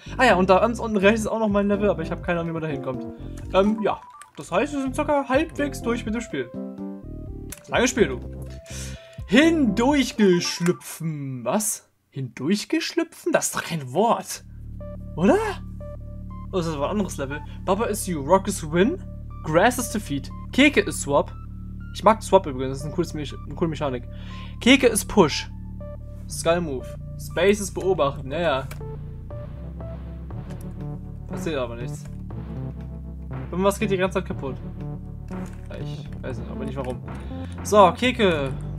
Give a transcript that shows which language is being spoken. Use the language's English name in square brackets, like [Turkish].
[German] Ah ja, und da ganz unten rechts ist auch noch mein Level, aber ich habe keine Ahnung, wie man da hinkommt. Ja. Das heißt, wir sind ca. halbwegs durch mit dem Spiel. Lange Spiel, du. Hindurchgeschlüpfen. Was? Hindurchgeschlüpfen? Das ist doch kein Wort. Oder? Oh, das ist aber ein anderes Level. [English] Baba is you, Rock is win, Grass is defeat, Keke is swap. [German] Ich mag Swap übrigens, das ist eine coole Mechanik. Keke ist Push. Skull Move. Space ist beobachten. Naja. Passiert aber nichts. Irgendwas geht die ganze Zeit kaputt. Ich weiß nicht, aber nicht warum. So, Keke.